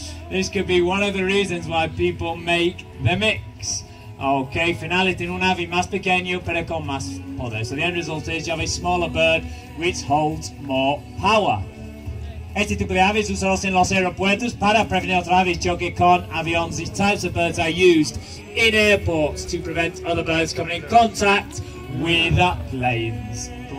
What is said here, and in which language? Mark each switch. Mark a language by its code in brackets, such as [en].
[en] This could be one of the reasons why people make the mix. [es] Okay, finalmente tiene un ave más pequeño, pero con más poder. [en] So the end result is you have a smaller bird which holds more power. [es] Este tipo de aves usados en los aeropuertos para prevenir otra aves choque con aviones. [en] These types of birds are used in airports to prevent other birds coming in contact with planes.